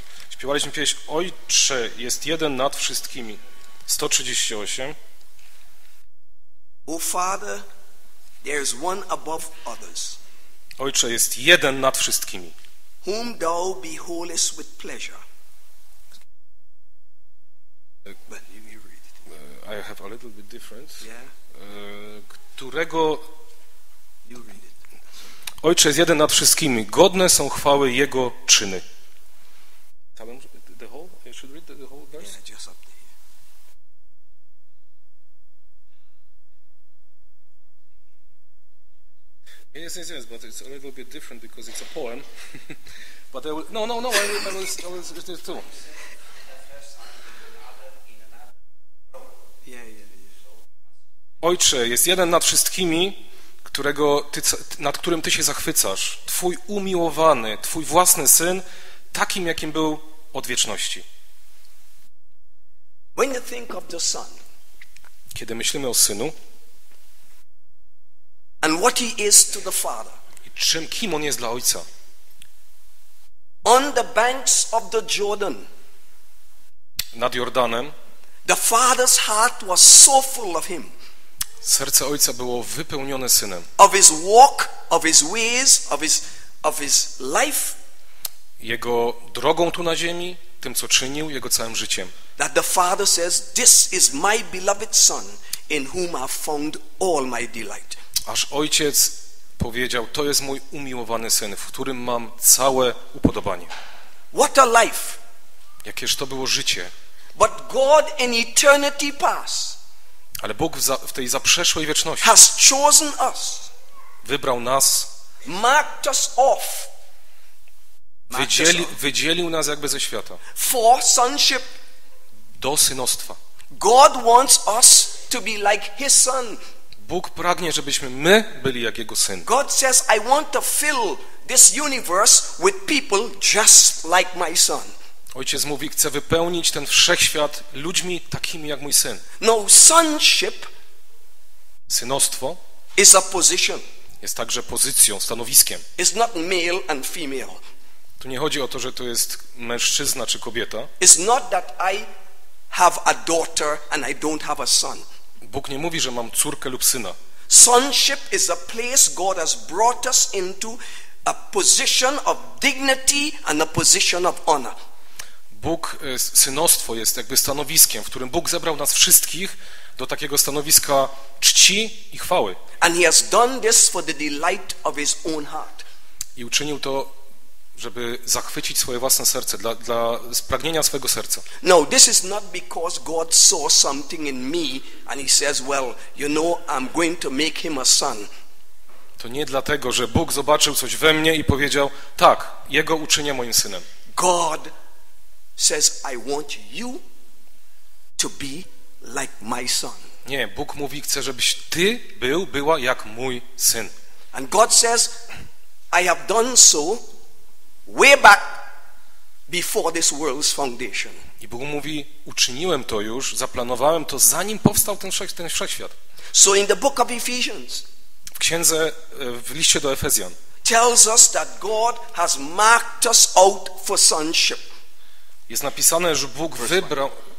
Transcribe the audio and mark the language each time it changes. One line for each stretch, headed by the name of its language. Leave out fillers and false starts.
Polish: Śpiewaliśmy pieśń Ojcze, jest jeden nad wszystkimi. 138.
English: O Father, there is one above others.
Polish: Ojcze, jest jeden nad wszystkimi.
English: Whom thou beholdest with pleasure. But you read it. I have a little bit different. Yeah.
Polish: Którego.
English: You read it.
Polish: Ojcze, jest jeden nad wszystkimi. Godne są chwały jego czyny.
English: Yes, but it's a little bit different because it's a poem. But I will, no, I was just this too. Yeah.
Polish: Ojcze, jest jeden nad wszystkimi, którego ty, nad którym ty się zachwycasz, twój umiłowany, twój własny syn, takim jakim był od wieczności.
English: When you think of the son,
Polish: kiedy myślimy o synu,
English: and what he is to the father,
Polish: i czym, kim on jest dla ojca,
English: on the banks of the Jordan,
Polish: nad Jordanem,
English: the father's heart was so full of him.
Polish: Serce ojca było wypełnione synem.
English: Of his walk, of his ways, of his life.
Polish: Jego drogą tu na ziemi, tym co czynił, jego całym życiem.
English: That the father says, "This is my beloved son, in whom I found all my delight."
Polish: Aż ojciec powiedział: "To jest mój umiłowany syn, w którym mam całe upodobanie."
English: What a life!
Polish: Jakież to było życie?
English: But God in eternity past.
Polish: Ale Bóg w, w tej zaprzeszłej wieczności
English: has chosen us,
Polish: wybrał nas,
English: marked us off,
Polish: wydzielił nas jakby ze świata
English: for sonship,
Polish: do synostwa.
English: God wants us to be like his son.
Polish: Bóg pragnie, żebyśmy my byli jak jego syn.
English: God says, I want to fill this universe with people just like my son.
Polish: Ojciec mówi, chcę wypełnić ten wszechświat ludźmi takimi jak mój syn.
English: No, sonship,
Polish: synostwo,
English: is a position.
Polish: Jest także pozycją, stanowiskiem.
English: It's not male and female.
Polish: Tu nie chodzi o to, że to jest mężczyzna czy kobieta.
English: It's not that I have a daughter and I don't have a son.
Polish: Bóg nie mówi, że mam córkę lub syna.
English: Sonship is a place God has brought us into, a position of dignity and a position of honor.
Polish: Bóg, synostwo jest jakby stanowiskiem, w którym Bóg zebrał nas wszystkich do takiego stanowiska czci i chwały.
English: And he has done this for the delight of his own heart.
Polish: I uczynił to, żeby zachwycić swoje własne serce, dla spragnienia swojego serca.
English: No, this is not because God saw something in me and he says, well, you know, I'm going to make him a son.
Polish: To nie dlatego, że Bóg zobaczył coś we mnie i powiedział, tak, jego uczynię moim synem.
English: God says, I want you to be like my son.
Polish: Nie, Bóg mówi, chcę, żebyś ty był, była jak mój syn.
English: And God says, I have done so way back before this world's foundation.
Polish: I Bóg mówi, uczyniłem to już, zaplanowałem to, zanim powstał ten wszechświat.
English: So in the book of Ephesians,
Polish: w księdze, w liście do Efezjan,
English: tells us that God has marked us out for sonship.
Polish: Jest napisane, że Bóg wybrał...